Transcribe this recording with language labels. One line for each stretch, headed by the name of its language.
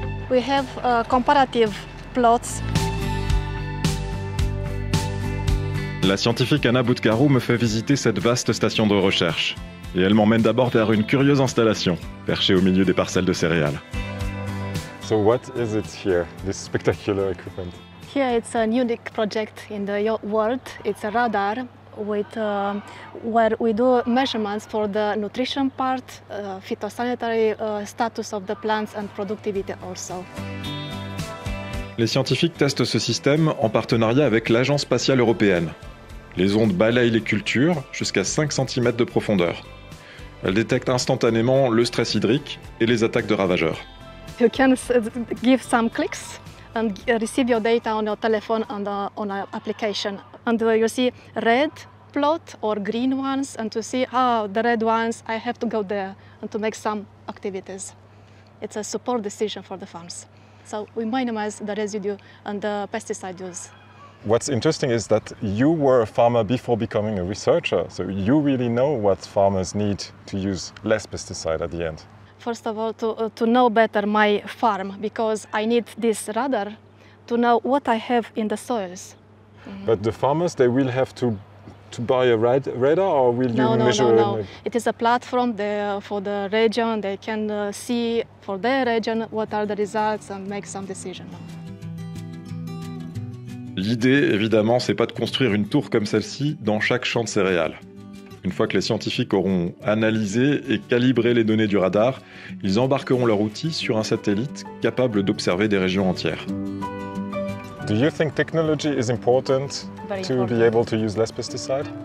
English: We have comparative plots.
French: La scientifique Anna Boutkarou me fait visiter cette vaste station de recherche. Et elle m'emmène d'abord vers une curieuse installation, perchée au milieu des parcelles de céréales.
English: So what is it here, this spectacular equipment? Here it's a unique project in the world. It's a radar with where we do measurements for the nutrition part, phytosanitary status of the plants and productivity also.
French: Les scientifiques testent ce système en partenariat avec l'Agence spatiale européenne. Les ondes balayent les cultures jusqu'à 5 cm de profondeur. Elles détectent instantanément le stress hydrique et les attaques de ravageurs.
English: You can give some clicks and receive your data on your telephone and on an application. And you see red plot or green ones, and to see, ah, the red ones, I have to go there and to make some activities. It's a support decision for the farms. So we minimize the residue and the pesticide use. What's interesting is that you were a farmer before becoming a researcher, so you really know what farmers need to use less pesticide at the end. First of all, to know better my farm, because I need this radar to know what I have in the soils. Mm-hmm. But the farmers, they will have to buy a radar, or will you measure? No. It is a platform there for the region. They can see for their region what are the results and make some decision.
French: L'idée, évidemment, c'est pas de construire une tour comme celle-ci dans chaque champ de céréales. Une fois que les scientifiques auront analysé et calibré les données du radar, ils embarqueront leur outil sur un satellite capable d'observer des régions entières.
English: Do you think technology is important to be able to use less pesticide?